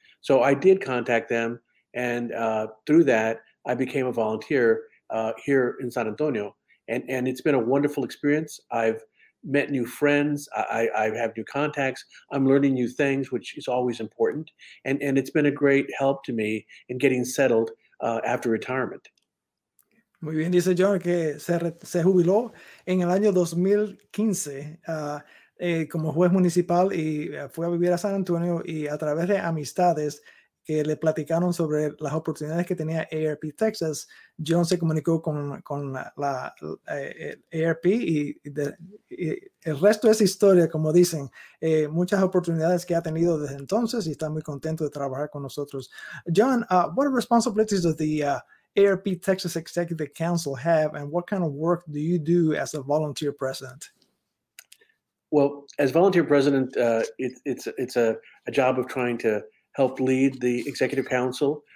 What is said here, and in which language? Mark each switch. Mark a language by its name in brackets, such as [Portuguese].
[English] So I did contact them, and through that, I became a volunteer here in San Antonio. And it's been a wonderful experience. I've met new friends. I have new contacts. I'm learning new things, which is always important. And it's been a great help to me in getting settled after retirement. [Spanish] Muy bien, dice John que se jubiló en el año 2015. Como juez municipal y fue a vivir a San Antonio y a través de amistades que le platicaron sobre las oportunidades que tenía AARP Texas, John se comunicó con la AARP y el resto es historia, como dicen. Muchas oportunidades que ha tenido desde entonces y está muy contento de trabajar con nosotros. [English] John, what responsibilities does the AARP Texas Executive Council have and what kind of work do you do as a volunteer president? Well, as volunteer president, it's a job of trying to help lead the executive council.